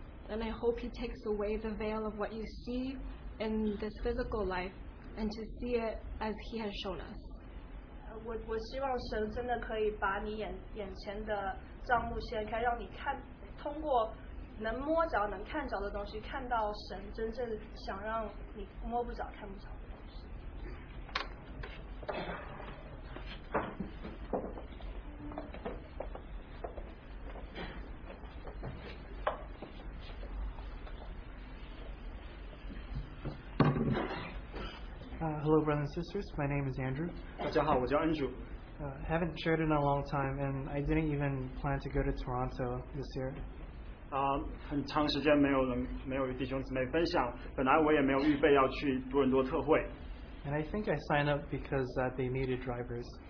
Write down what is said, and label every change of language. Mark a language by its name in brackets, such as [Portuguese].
[English] And I hope He takes away the veil of what you see in this physical life and to see it as He has shown us. [Chinese] 我希望神真的可以把你眼前的帐幕掀开，让你看，通过能摸着、能看着的东西，看到神真正想让你摸不着、看不着的东西。 [English] Hello, brothers and sisters. My name is Andrew. [Chinese] 大家好, 我叫Andrew. [English] Haven't shared in a long time, and I didn't even plan to go to Toronto this year. [Chinese] 很长时间没有人没有与弟兄姊妹分享，本来我也没有预备要去多伦多特会。 [English] And I think I signed up because they needed drivers.